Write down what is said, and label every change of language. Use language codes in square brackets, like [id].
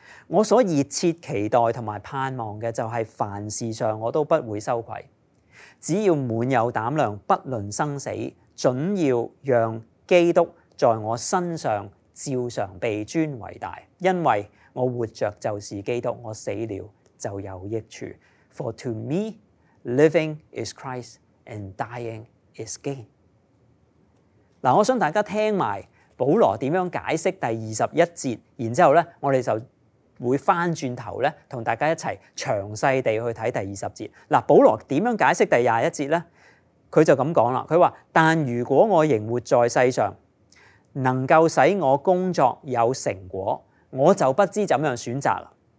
[yue] 我所熱切期待同埋盼望嘅就係凡事上我都不會羞愧，只要滿有膽量，不論生死，準要讓基督在我身上照常被尊為大，因為我活著就是基督，我死了就有益處。 [en] For to me, living is Christ, and dying is gain。 [yue] 嗱，我想大家聽埋保羅點樣解釋第二十一節，然之後咧，我哋就會翻轉頭咧，同大家一齊詳細地去睇第二十節。嗱，保羅點樣解釋第廿一節咧？佢就咁講啦，佢話：但如果我仍活在世上，能夠使我工作有成果，我就不知怎樣選擇啦。